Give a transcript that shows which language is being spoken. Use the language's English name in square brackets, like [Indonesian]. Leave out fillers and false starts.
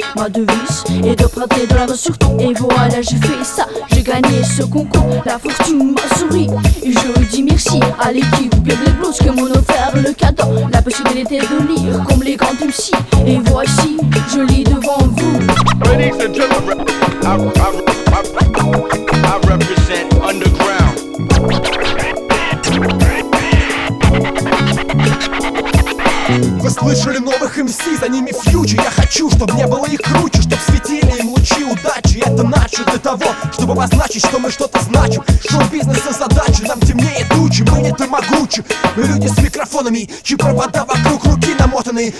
[French] Ma devise est de prendre des dollars sur tout. Et voilà, j'ai fait ça, j'ai gagné ce concours. La fortune m'a souri et je dis merci à l'équipe Pierre Les Blues qui m'ont offert le cadeau, la possibilité de lire comme les grands MC. Et voici, je lis devant vous. [English] Ladies and gentlemen, I represent underground. [Russian] Вы слышали новых MC, за ними фьючи. Я хочу, чтобы не было их круче, чтоб светили им лучи удачи. Это начало для того, чтобы обозначить, что мы что-то значим. Шоу-бизнес и задачи, нам темнее тучи. Мы не тормогучи, мы люди с микрофонами, чьи провода вокруг руки намотаны.